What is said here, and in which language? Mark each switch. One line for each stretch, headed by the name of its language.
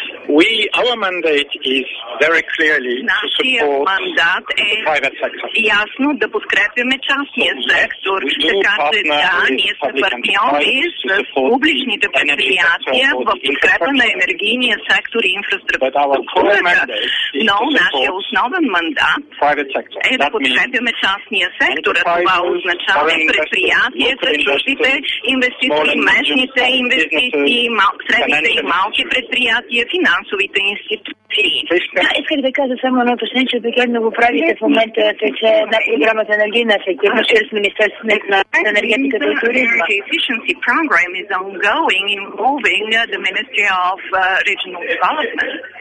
English: We, our mandate is very clearly to support the private sector.
Bulgarian: Ясно да подкрепяме частния сектор, така че да, ние сме партньори с публичните предприятия в подкрепа на енергийния сектор и инфраструктурата. Но нашия основен мандат е да подкрепяме частния сектор, а това означава предприятията, чуждите инвестиции, местните инвестиции, средните и малки предприятия, финансовите институции. Да, исках да кажа само едно уточнение, че обикновено го правите в момента, че една програма за енергийна ефективност чрез Министерството на енергетиката и туризма.
English: The efficiency program is ongoing involving the Ministry of Regional Development.